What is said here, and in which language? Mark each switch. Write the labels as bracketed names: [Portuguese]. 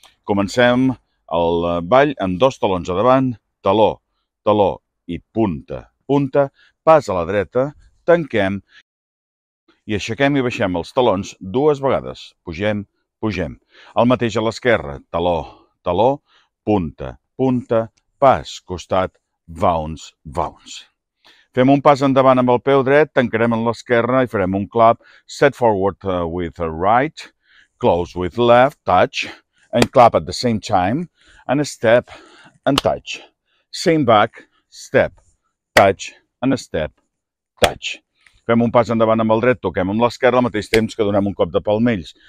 [Catalan] Comencem el ball amb dos talons a davant, taló, taló i punta, punta, pas a la dreta, tanquem, i aixequem i baixem els talons dues vegades. Pugem, pugem. El mateix a l'esquerra. Taló, taló, punta, punta, pas, costat, bounce, bounce. Fem un pas endavant amb el peu dret, tancarem en l'esquerra i farem un clap. [English] Step forward with right, close with left, touch, and clap at the same time, and step and touch. Same back, step, touch, and step, touch. [Catalan] Fem un pas endavant amb el dret, toquem amb l'esquerra al mateix temps que donem un cop de palmells.